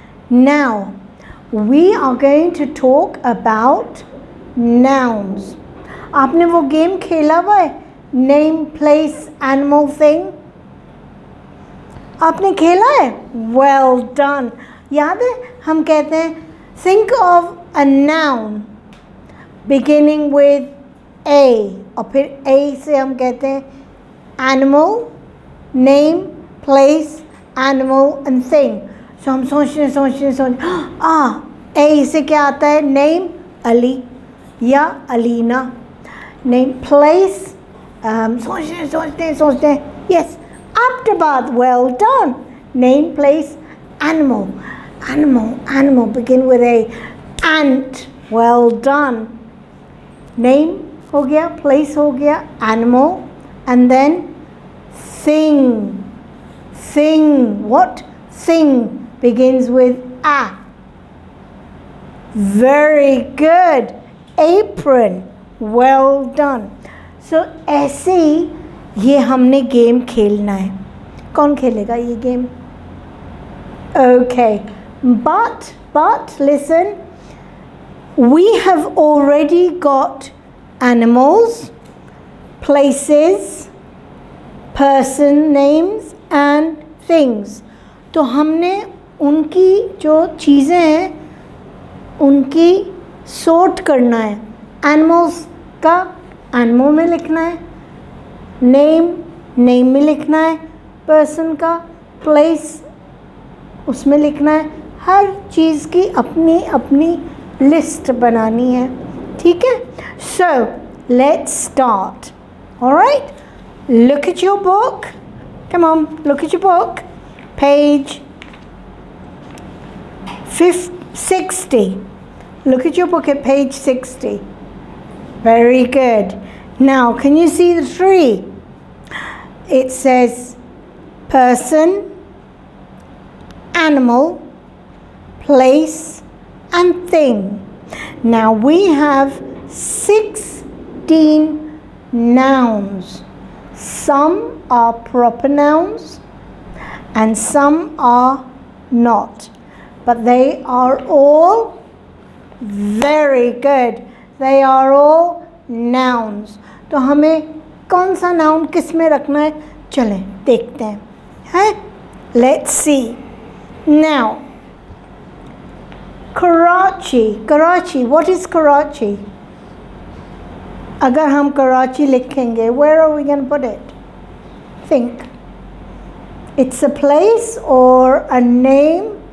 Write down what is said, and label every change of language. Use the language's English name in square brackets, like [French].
[English] Now, we are going to talk about nouns. [Urdu] آپنے وو game کھیلا ہوا ہے؟ [English] Name, place, animal thing? [Urdu] آپنے کھیلا ہے؟ [English] Well done. [Urdu] یاد ہے؟ Hum kehte hain, [English] think of a noun beginning with A. [Urdu] اور پھر A سے ہم کہتے ہیں [English] animal, name, place, animal and thing. [Urdu] So ہم سوچنے. آہ، A سے کیا آتا ہے؟ [English] Name, Ali. یا Alina. Name, place. [Urdu] Sochne. [English] Yes, Abdabad. Well done. Name, place, animal. Animal. Begin with A. Ant. Well done. [Urdu] Name ہو گیا، place ہو گیا، animal. [English] And then thing. Thing. What? Thing begins with A. Very good. Apron. Well done. [Urdu] So، ایسے یہ ہمنے game کھیلنا ہے. کون کھیلے گا یہ game؟ Okay. [English] But, listen. We have already got animals, places, person names and things. [Urdu] تو ہمنے انکی جو چیزیں ہیں انکی sort کرنا ہے. Animals کا animal میں لکھنا ہے، name میں لکھنا ہے، person کا place اسمیں لکھنا ہے. ہر چیز کی اپنی list بنانی ہے. ٹھیک ہے؟ [English] So let's start. All right, look at your book. Come on, look at your book. Page 60. Look at your book at page 60. Very good. Now, can you see the tree? It says person, animal, place, and thing. Now, we have 16 nouns. Some are proper nouns and some are not, but they are all very good. They are all nouns. [Urdu] تو ہمیں کون سا noun کس میں رکھنا ہے؟ چلے، دیکھتے ہیں. Hai? [English] Let's see. Now, Karachi. Karachi. What is Karachi? [Urdu] Agar hum Karachi likhenge, [English] where are we going to put it? Think. It's a place or a name?